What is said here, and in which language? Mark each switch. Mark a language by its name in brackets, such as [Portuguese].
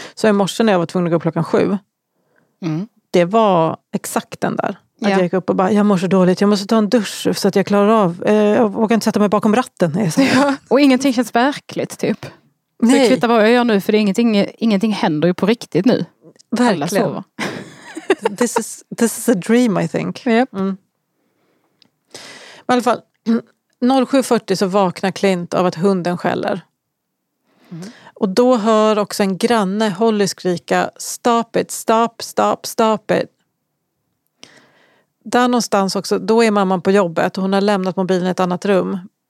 [Swedish] Så i morse när jag var tvungen att gå 7, det var exakt den där. Att jag gick upp och bara, jag mår så dåligt, jag måste ta en dusch så att jag klarar av. Jag vågar inte sätta mig bakom ratten. Och ingenting känns verkligt, typ. Så nej. Jag kvittar vad jag gör nu, för det är ingenting händer ju på riktigt nu. Verkligen. [English] Alla this is a dream, I think. Yep. [Swedish] Mm. I alla fall... 07.40 så vaknar Clint av att hunden skäller. Mm. Och då hör också en granne Holly skrika, [English] stop it, stop, stop, stop it. [Swedish] Där någonstans också, då är mamman på jobbet och hon har lämnat mobilen i ett annat rum.